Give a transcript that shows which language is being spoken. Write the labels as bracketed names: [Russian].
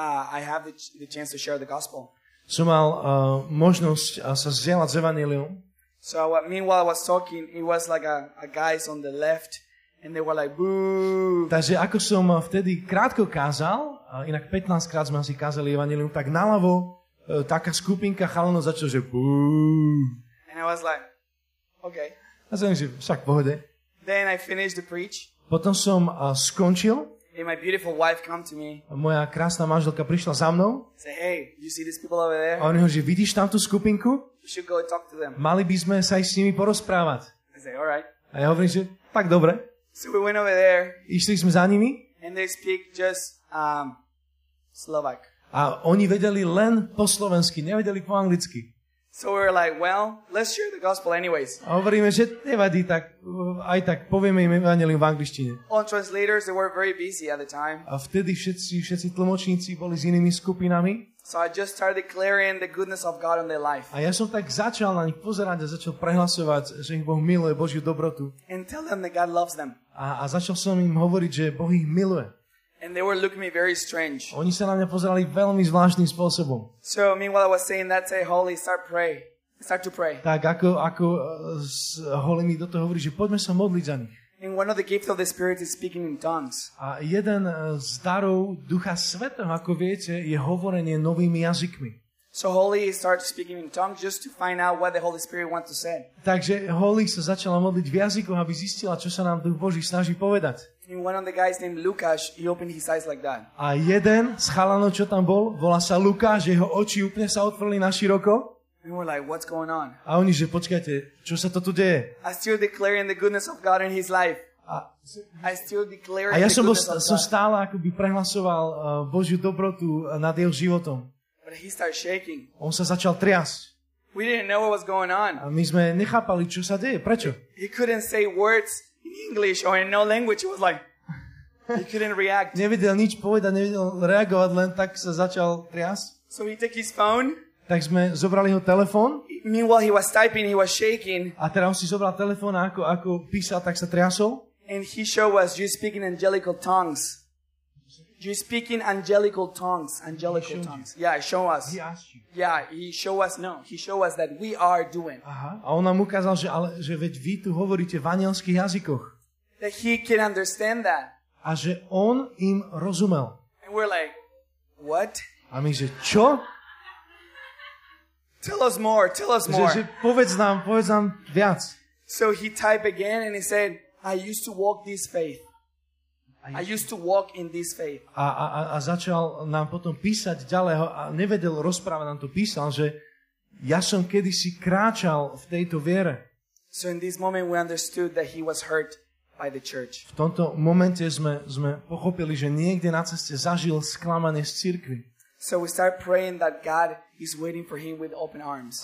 [English] I have the chance to share the gospel. [Slovak] Som mal možnosť sa zdieľať s evanjeliom. [English] So meanwhile I was talking, it was like a guys on the left and they were like boo. [Slovak] Takže ako som vtedy krátko kázal, inak 15 krát sme asi kázali evanjelium, tak naľavo taká skupinka chalanov začala, že boo. [English] And I was like okay. [Slovak] A som si, však pohode. [English] Then I finished the preach. [Slovak] Potom som skončil. [English] And my beautiful wife came to me. [Slovak] A moja krásna manželka prišla za mnou. [English] Say, hey, you see these people over there? [Slovak] A on hovorí, vidíš tam tú skupinku? [English] We should go talk to them. [Slovak] Mali by sme sa aj s nimi porozprávať. [English] I say, all right. [Slovak] A ja hovorím, že tak dobre. [English] So we went over there. [Slovak] Išli sme za nimi. [English] And they speak just Slovak. [Slovak] A oni vedeli len po slovensky, nevedeli po anglicky. [English] So we're like, well, let's share the gospel anyways. [Slovak] A hovoríme, že nevadí, tak aj tak povieme im evanjelium v angličtine. [English] All translators, they were very busy at the time. [Slovak] A vtedy všetci tlmočníci boli s inými skupinami. [English] So I just started declaring the goodness of God on their life. [Slovak] A ja som tak začal na nich pozerať a začal prehlasovať, že ich Boh miluje, Božiu dobrotu. [English] And tell them that God loves them. [Slovak] A začal som im hovoriť, že Boh ich miluje. [English] And they were looking at me very strange. [Slovak] Oni sa na mňa pozerali veľmi zvláštnym spôsobom. [English] So meanwhile I was saying that, say, Holy, start pray. Start to pray. [Slovak] Tak ako Holy mi do toho hovorí, že poďme sa modliť za nich. [English] And one of the gifts of the Spirit is speaking in tongues. [Slovak] A jeden z darov Ducha Svätého, ako viete, je hovorenie novými jazykmi. [English] So Holy starts speaking in tongues just to find out what the Holy Spirit wants to say. [Slovak] Takže Holy sa začala modliť v jazykoch, aby zistila, čo sa nám Duch Boží snaží povedať. [English] And one of the guys named Lukáš, he opened his eyes like that. [Slovak] A jeden z chalanov, čo tam bol, volá sa Lukáš, jeho oči úplne sa otvorili na široko. [English] We were like, what's going on? [Slovak] A oni, že počkajte, čo sa to tu deje? [English] I'm still declaring the goodness of God in his life. I still declaring [Slovak] a ja som stále akoby prehlasoval Božiu dobrotu nad jeho životom. [English] But he started shaking. [Slovak] On sa začal triasť. [English] We didn't know what was going on. [Slovak] A my sme nechápali, čo sa deje, prečo? [English] He couldn't say words. In English or in no language, it was like he couldn't react. [Slovak] Nevedel nič povedať, nevedel reagovať, len tak sa začal triasť. [English] So he took his phone. [Slovak] Tak sme zobrali ho telefón. [English] Meanwhile he was typing, he was shaking. [Slovak] A teda on si zobral telefón a ako písal, tak sa triasol. [English] And he showed us, you speak in angelical tongues. You speak in angelical tongues. Angelical tongues. You. Yeah, show us. He asked you. Yeah, he show us. No, he show us that we are doing. Aha. [Slovak] A on nám ukázal, že veď vy tu hovoríte v anielských jazykoch. [English] That he can understand that. [Slovak] A že on im rozumel. [English] And we're like, what? [Slovak] A my, že čo? [English] Tell us more, tell us more. [Slovak] Že povedz nám viac. [English] So he typed again and he said, I used to walk this faith. I used to walk in this faith. [Slovak] A začal nám potom písať ďalej a nevedel rozprávať, nám to písal, že ja som kedysi kráčal v tejto viere. [English] So in this moment we understood that he was hurt by the church. [Slovak] V tomto momente sme pochopili, že niekde na ceste zažil sklamanie z cirkvi. [English] So we start praying that God is waiting for him with open arms.